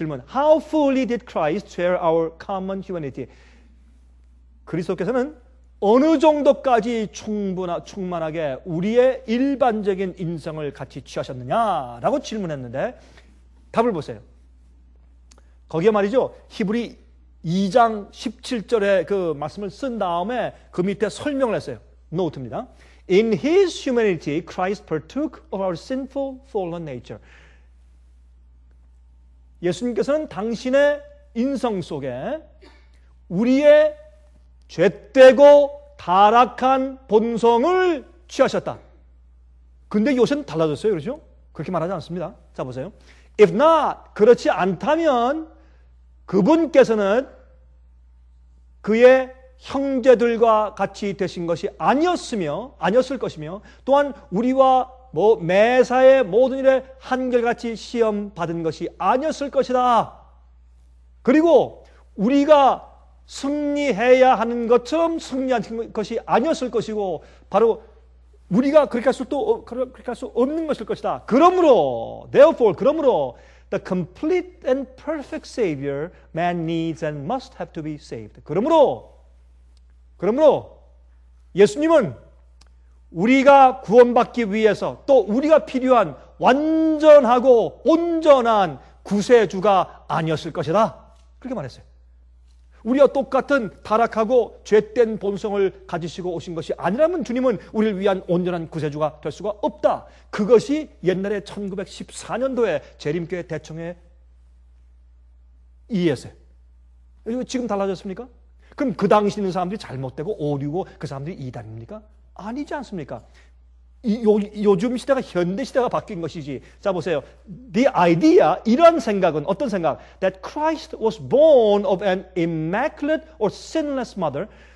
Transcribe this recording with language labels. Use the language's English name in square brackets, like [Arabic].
[English] How fully did Christ share our common humanity? [Korean] 그리스도께서는 어느 정도까지 충만하게 우리의 일반적인 인성을 같이 취하셨느냐라고 질문했는데 답을 보세요. 거기에 말이죠. 히브리 2장 17절에 그 말씀을 쓴 다음에 그 밑에 설명을 했어요. 노트입니다. [English] In his humanity, Christ partook of our sinful fallen nature. [Korean] 예수님께서는 당신의 인성 속에 우리의 죗되고 타락한 본성을 취하셨다. 근데 요새는 달라졌어요. 그렇죠? 그렇게 말하지 않습니다. 자, 보세요. [English] If not, [Korean] 그렇지 않다면 그분께서는 그의 형제들과 같이 되신 것이 아니었을 것이며, 또한 우리와 뭐 매사에 모든 일에 한결같이 시험 받은 것이 아니었을 것이다. 그리고 우리가 승리해야 하는 것처럼 승리한 것이 아니었을 것이고, 바로 우리가 그렇게 할 수 없는 것일 것이다. 그러므로, [English] therefore, 그러므로, the complete and perfect Savior man needs and must have to be saved. [Korean] 그러므로, 예수님은 우리가 구원받기 위해서 또 우리가 필요한 완전하고 온전한 구세주가 아니었을 것이다. 그렇게 말했어요. 우리와 똑같은 타락하고 죗된 본성을 가지시고 오신 것이 아니라면 주님은 우리를 위한 온전한 구세주가 될 수가 없다. 그것이 옛날에 1914년도에 재림교회 대청회 이해했어요. 지금 달라졌습니까? 그럼 그 당시 있는 사람들이 잘못되고 오류고 그 사람들이 이단입니까? 아니지 않습니까? 요즘 시대가 현대 시대가 바뀐 것이지. 자, 보세요. [English] The idea, [Korean] 이런 생각은 어떤 생각? [English] That Christ was born of an immaculate or sinless mother.